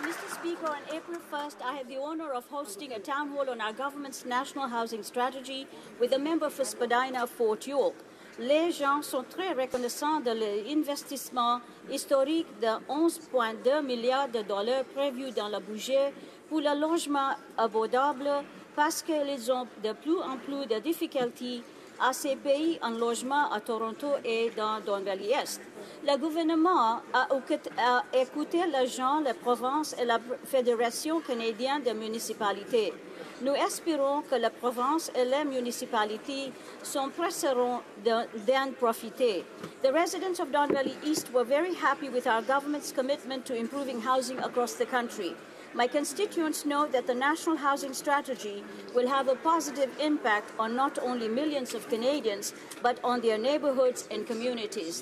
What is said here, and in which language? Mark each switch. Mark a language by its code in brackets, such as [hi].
[en] Speaker, on April 1st, I had the honor of hosting a town hall on our government's national housing strategy with a member for Spadina, Fort York. [fr] Les gens sont très reconnaissants de l'investissement historique de 11,2 milliards de dollars prévu dans le budget pour le logement abordable parce qu'ils ont de plus en plus de difficultés à se payer un logement à Toronto et dans Don Valley-Est. Le gouvernement a écouté les gens, la province et la Fédération canadienne de municipalités. Nous espérons que la province et les municipalités s'empresseront d'en profiter. [en] The residents of Don Valley East were very happy with our government's commitment to improving housing across the country. My constituents know that the National Housing Strategy will have a positive impact on not only millions of Canadians, but on their neighbourhoods and communities.